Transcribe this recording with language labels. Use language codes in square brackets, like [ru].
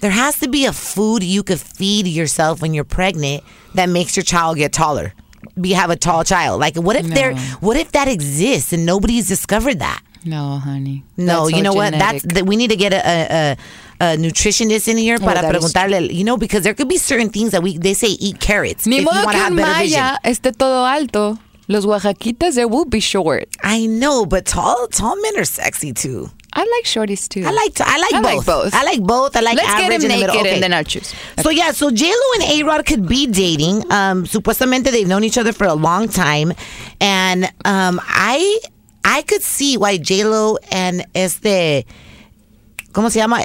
[en] There has to be a food you could feed yourself when you're pregnant that makes your child get taller. We have a tall child. Like, what if that exists and nobody's discovered that? No, honey. No, you know genetic. What? We need to get a nutritionist in here [es] para preguntarle. [en] You know, because there could be certain things that they say eat carrots. [es] Ni modo que un maya esté todo alto. Los oaxaquitas, [en] they will be short. I know, but tall men are sexy too. I like shorties too. I like both. I like average in the middle. Let's get him naked and then I'll choose. Okay. So yeah, so J-Lo and A-Rod could be dating. [es] Supuestamente [en] they've known each other for a long time. And I could see why J-Lo and [es] ¿cómo se llama?